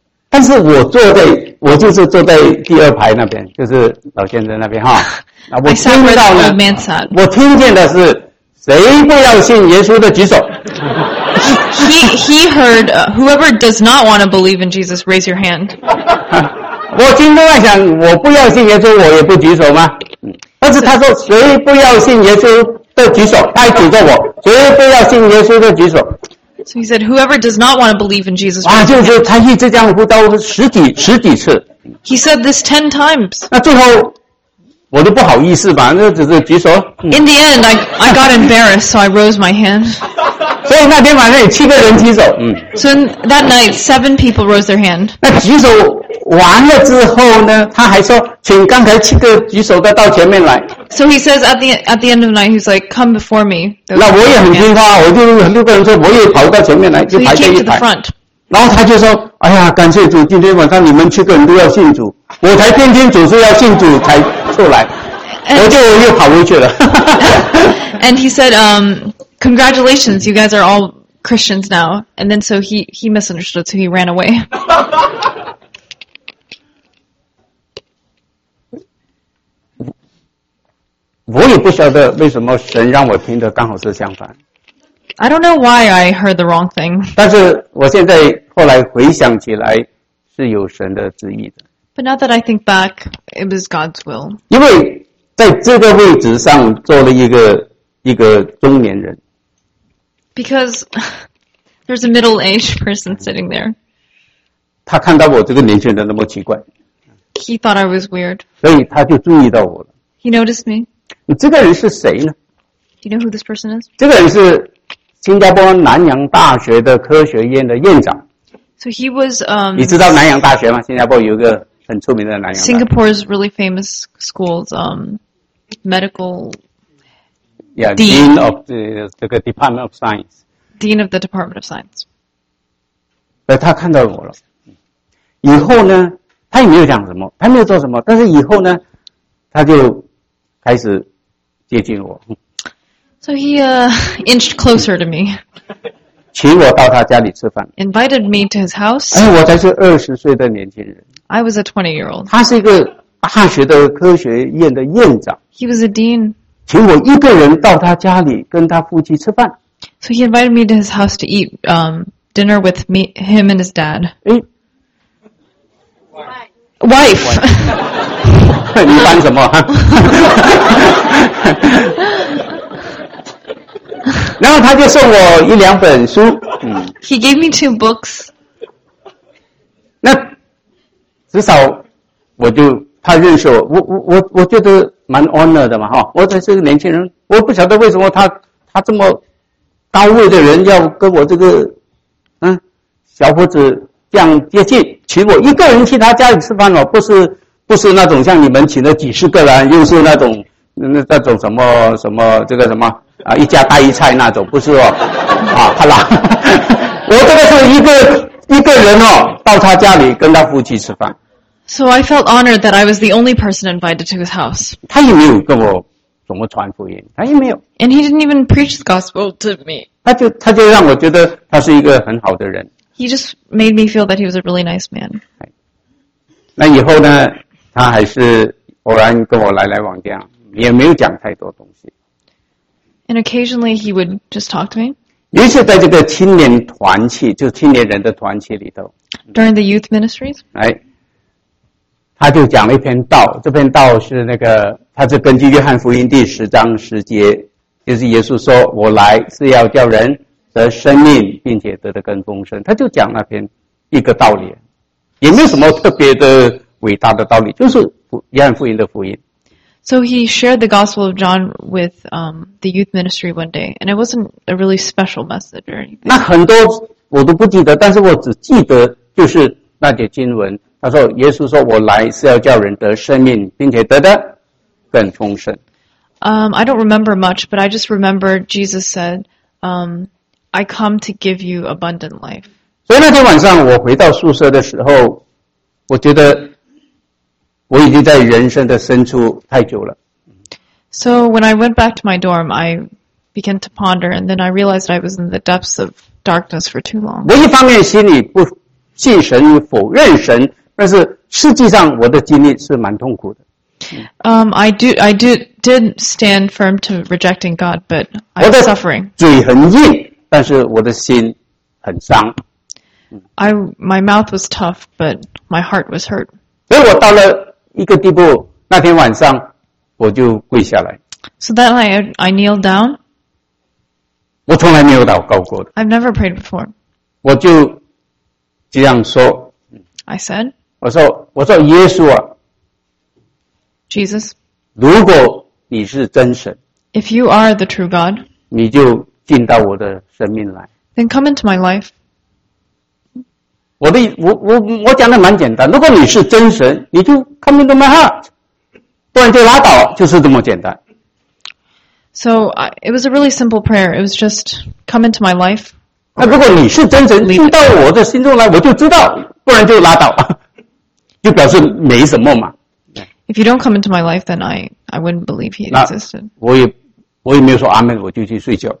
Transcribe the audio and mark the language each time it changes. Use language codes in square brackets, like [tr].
[zh] 但是我就是坐在第二排那边就是老先生那边哈我听到呢我听见的是谁不要信耶稣的举手 [en] he heard whoever does not want to believe in Jesus raise your hand [zh] 我心中在想我不要信耶稣我也不举手吗但是他说谁不要信耶稣的举手他举着我谁不要信耶稣的举手 [en] So he said, whoever does not want to believe in Jesus Christ. [zh] 就是他一直这样呼召十几次。 [en] He said this 10 times. [zh] 那最后我都不好意思吧那只是举手。 [en] In the end, I got embarrassed, so I rose my hand. [zh] 所以那天晚上有七个人举手。 [en] So that night, 7 people rose their hand. [zh] 那举手完了之后呢他还说请刚才七个举手的到前面来。 [en] So he says at the end of the night, he's like, come before me. [zh] 那我也很听话我就很多个人说我也跑到前面来就排队一排。 [en] So he came to the front. [zh] 然后他就说哎呀感谢主今天晚上你们七个人都要信主。我才偏偏总是要信主才出来。我就又跑回去了。 [en] And he said, congratulations, you guys are all Christians now. And then so he misunderstood, so he ran away. [zh] 我也不晓得为什么神让我听的刚好是相反。 [en] I don't know why I heard the wrong thing. [zh] 但是我现在后来回想起来是有神的旨意的。 [en] But now that I think back, it was God's will. [zh] 因为在这个位置上做了一个中年人。 [en] Because there's a middle-aged person sitting there. [zh] 他看到我这个年轻人那么奇怪。 [en] He thought I was weird. [zh] 所以他就注意到我了。 [en] He noticed me. [zh] 这个人是谁呢 [en] Do you know who this person is? [zh] 这个人是新加坡南洋大学的科学院的院长。 [en] So he was, [zh] 你知道南洋大学吗新加坡有一个很出名的南洋大学。 [en] Singapore's really famous school's, medical. Yeah, Dean of the Department of Science. Dean of the Department of Science. [zh] 对他看到我了。以后呢他也没有讲什么他没有做什么但是以后呢他就开始接近我。 [en] So he, inched closer to me. [zh] 请我到他家里吃饭。 [en] Invited me to his house. [zh] 哎，我才是20岁的年轻人。 [en] I was a 20-year-old. [zh] 他是一个大学的科学院的院长。 [en] He was a dean. [zh] 请我一个人到他家里跟他夫妻吃饭。 [en] So he invited me to his house to eat, dinner with me, him and his dad. 哎， wife. [zh] 你搬什么？然后他就送我一两本书。 [en] He gave me two books. [zh] 那至少我就他认识我，我觉得蛮 honor 的嘛哈。我这是个年轻人，我不晓得为什么他这么高位的人要跟我这个小伙子这样接近，请我一个人去他家里吃饭哦，不是那种像你们请了几十个人，又是那种什么什么这个什么啊，一家大一菜那种，不是哦，啊，他啦，我这个是一个人哦，到他家里跟他夫妻吃饭。 [en] So I felt honored that I was the only person invited to his house. [zh] 他也没有跟我怎么传福音，他也没有。 [en] And he didn't even preach the gospel to me. [zh] 他就让我觉得他是一个很好的人。 [en] He just made me feel that he was a really nice man. [zh] 那以后呢，他还是偶然跟我来来往这样，也没有讲太多东西。 [en] And occasionally he would just talk to me. [zh] 于是在这个青年团契，就青年人的团契里头。 [en] During the youth ministries. [zh] 他就讲了一篇道，这篇道是那个，他是根据约翰福音第十章十节，就是耶稣说，我来是要叫人得生命，并且得的更丰盛。他就讲那篇一个道理，也没有什么特别的伟大的道理，就是约翰福音的福音。 [en] So he shared the gospel of John with the youth ministry one day, and it wasn't a really special message or anything. [zh] 那很多我都不记得，但是我只记得就是那节经文。他说耶稣说我来是要叫人得生命并且得的更丰盛。 [en] I don't remember much, but I just remember Jesus said, I come to give you abundant life. [zh] 所以那天晚上我回到宿舍的时候，我觉得我已经在人生的深处太久了。 [en] So when I went back to my dorm, I began to ponder, and then I realized I was in the depths of darkness for too long. [zh] 我一方面心里不信神与否认神，但是实际上我的经历是蛮痛苦的。 [en] I did stand firm to rejecting God, but I was suffering. [zh] 我的嘴很硬，但是我的心很伤。 [en] My mouth was tough, but my heart was hurt. [zh] 所以我到了一个地步，那天晚上我就跪下来。 [en] So that I kneeled down. [zh] 我从来没有祷告过的。 [en] I've never prayed before. [zh] 我就这样说。 [en] I said, [zh] 我说耶稣啊 [en] ，Jesus， [zh] 如果你是真神 [en] ，If you are the true God， [zh] 你就进到我的生命来 [en] ，Then come into my life。 [zh] 我讲的蛮简单，如果你是真神，你就 [en] come into my heart， [zh] 不然就拉倒，就是这么简单。 [en] So it was a really simple prayer. It was just come into my life。 [zh] 那如果你是真神进到我的心中来，我就知道。不然就拉倒，就表示没什么嘛。 [en] If you don't come into my life, then I wouldn't believe he existed. [zh] 我也没有说阿门，我就去睡觉。